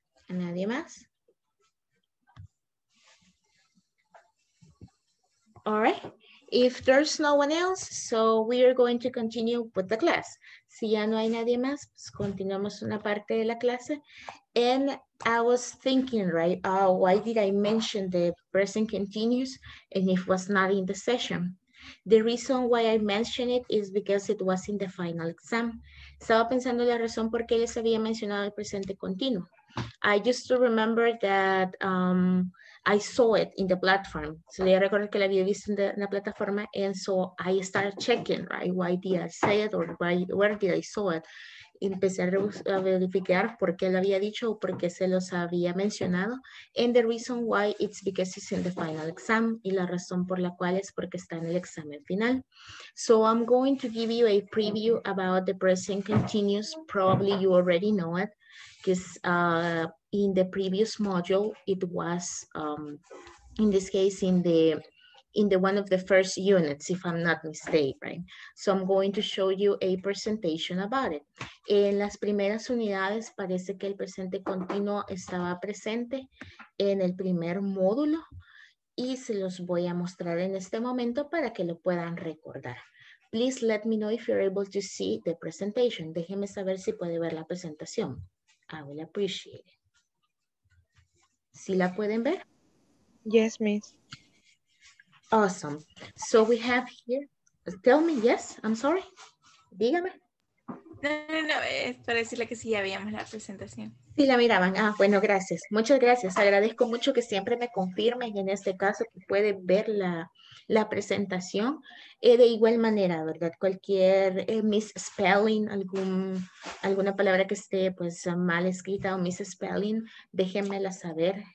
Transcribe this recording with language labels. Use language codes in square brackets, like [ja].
[es] Nadie más? [en] All right. If there's no one else, so we are going to continue with the class. [es] Si ya no hay nadie más, pues continuamos una parte de la clase. [en] And I was thinking, right, why did I mention the present continuous and it was not in the session? The reason why I mentioned it is because it was in the final exam. [es] Estaba pensando la razón por qué les había mencionado el presente continuo. [en] I used to remember that I saw it in the platform. [es] So ya recuerdo que la había visto en la plataforma, [en] and so I started checking, right? Why did I say it or why, where did I saw it? [es] Empecé a verificar por qué lo había dicho o por qué se los había mencionado. [en] And the reason why it's because it's in the final exam. [es] Y la razón por la cual es porque está en el examen final. [en] So I'm going to give you a preview about the present continuous. Probably you already know it. Because in the previous module, it was, in this case, in the one of the first units, if I'm not mistaken, right? So I'm going to show you a presentation about it. [es] En las primeras unidades, parece que el presente continuo estaba presente en el primer módulo. Y se los voy a mostrar en este momento para que lo puedan recordar. [en] Please let me know if you're able to see the presentation. [es] Déjeme saber si puede ver la presentación. [en] I will appreciate it. [es] ¿Sí la pueden ver? [en] Yes, miss. Awesome. So we have here, tell me, yes, I'm sorry. [es] Dígame. No, no, no, es para decirle que sí, ya veíamos la presentación. Sí, la miraban. Ah, bueno, gracias. Muchas gracias. Agradezco mucho que siempre me confirmen en este caso que puede ver la presentación. De igual manera, ¿verdad? Cualquier misspelling, alguna palabra que esté pues mal escrita o misspelling, déjenmela saber.